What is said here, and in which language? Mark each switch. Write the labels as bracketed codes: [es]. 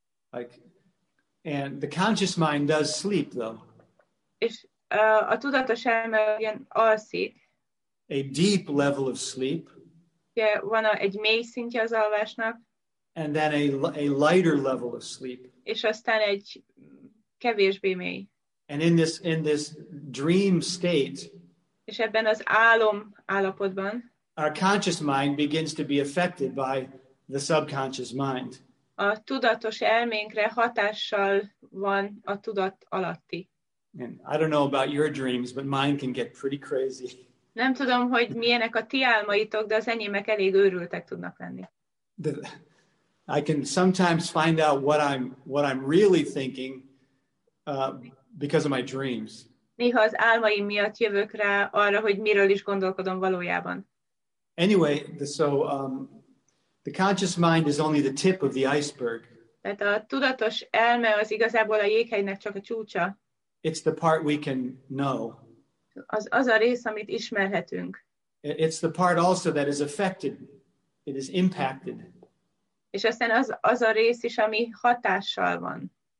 [en] Like, and the conscious mind does sleep, though. [hu] És a tudatos elme ilyen alszik. [en] A deep level of sleep. [hu] Yeah, van egy mély szintje az alvásnak. [en] And then a lighter level of sleep. [hu] És aztán egy kevésbé mély. [en] And in this dream state. [hu] És ebben az álom állapotban. [en] Our conscious mind begins to be affected by the subconscious mind. [hu] A tudatos elménkre hatással van a tudat alatti. [en] And I don't know about your dreams, but mine can get pretty crazy. [hu] Nem tudom, hogy milyenek a ti álmaitok, de az enyémek elég őrültek tudnak lenni. [en] I can sometimes find out what I'm really thinking because of my dreams. [hu] Néha az álmaim miatt jövök rá arra, hogy miről is gondolkodom valójában. [en] Anyway, the conscious mind is only the tip of the iceberg. [hu] Tehát a tudatos elme az igazából a jéghegynek csak a csúcsa. [en] It's the part we can know. [hu] Az a rész, amit ismerhetünk. [en] It's the part also that is affected. It is impacted. [hu] És aztán az a rész is, ami hatással van.